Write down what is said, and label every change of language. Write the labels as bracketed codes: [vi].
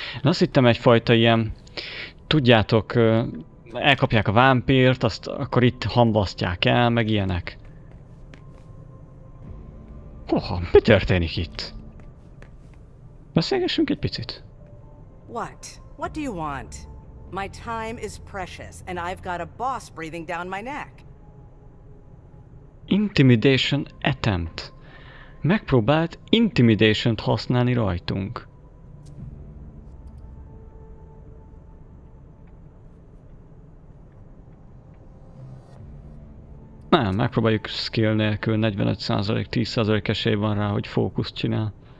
[hu] Én azt hittem egyfajta ilyen, tudjátok, elkapják a vámpírt, azt akkor itt hamvasztják el, meg ilyenek. Hoha, mi történik itt? Beszélgessünk egy picit. [en] What? What do you want? My time is precious, and I've got a boss breathing down my neck. Intimidation attempt. [hu] Megpróbált intimidation-t használni rajtunk. Nem, megpróbáljuk skill nélkül, 45%, 10% esély van rá, hogy fókuszt csinál.